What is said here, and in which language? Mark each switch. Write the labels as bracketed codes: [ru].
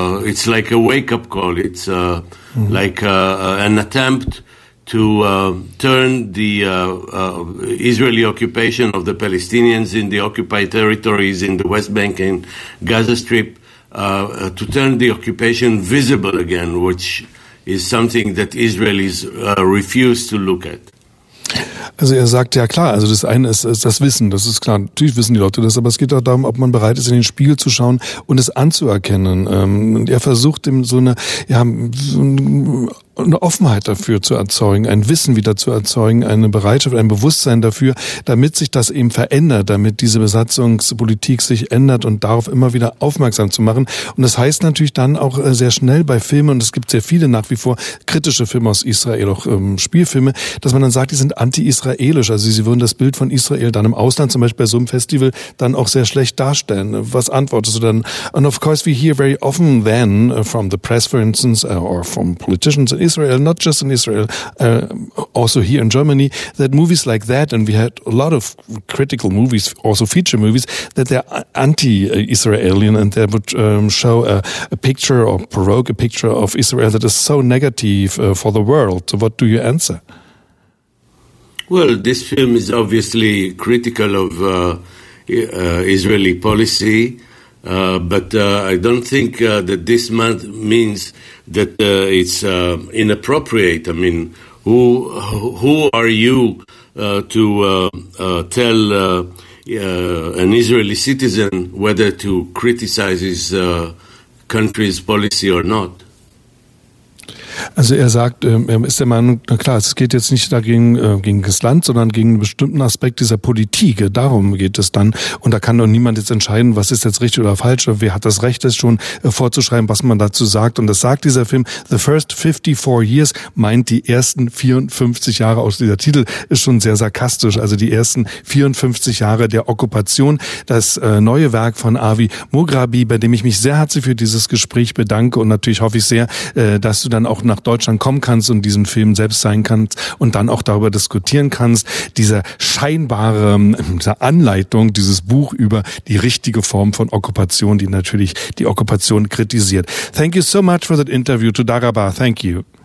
[en] it's like a wake-up call. It's like an attempt to turn the Israeli occupation of the Palestinians in the occupied territories in the West Bank and Gaza Strip, to turn the occupation visible again, which is something that Israelis refuse to look at. [de] Also er sagt, ja klar, also das eine ist das Wissen, das ist klar, natürlich wissen die Leute das, aber es geht auch darum, ob man bereit ist, in den Spiegel zu schauen und es anzuerkennen. Und er versucht, ihm so eine, ja, so eine Offenheit dafür zu erzeugen, ein Wissen wieder zu erzeugen, eine Bereitschaft, ein Bewusstsein dafür, damit sich das eben verändert, damit diese Besatzungspolitik sich ändert und darauf immer wieder aufmerksam zu machen. Und das heißt natürlich dann auch sehr schnell bei Filmen, und es gibt sehr viele nach wie vor kritische Filme aus Israel, auch Spielfilme, dass man dann sagt, die sind anti-israelisch. Also sie würden das Bild von Israel dann im Ausland, zum Beispiel bei so einem Festival, dann auch sehr schlecht darstellen. Was antwortest du dann? [en] And of course we hear very often then from the press, for instance, or from politicians, Israel, not just in Israel, also here in Germany, that movies like that, and we had a lot of critical movies, also feature movies, that they're anti-Israelian and they would show a picture or provoke a picture of Israel that is so negative for the world. So what do you answer? Well, this film is obviously critical of Israeli policy. I don't think that this means that it's inappropriate. I mean, who are you tell an Israeli citizen whether to criticize his country's policy or not? [de] Also er sagt, er ist der Meinung, na klar, es geht jetzt nicht dagegen gegen das Land, sondern gegen einen bestimmten Aspekt dieser Politik. Darum geht es dann. Und da kann doch niemand jetzt entscheiden, was ist jetzt richtig oder falsch. Wer hat das Recht, das schon vorzuschreiben, was man dazu sagt. Und das sagt dieser Film, The First 54 Years, meint die ersten 54 Jahre aus. Dieser Titel ist schon sehr sarkastisch. Also die ersten 54 Jahre der Okkupation. Das neue Werk von Avi Mograbi, bei dem ich mich sehr herzlich für dieses Gespräch bedanke. Und natürlich hoffe ich sehr, dass du dann auch nach Deutschland kommen kannst und diesen Film selbst sein kannst und dann auch darüber diskutieren kannst. Diese scheinbare Anleitung, dieses Buch über die richtige Form von Okkupation, die natürlich die Okkupation kritisiert. [en] Thank you so much for that interview. Tudarabah. Thank you.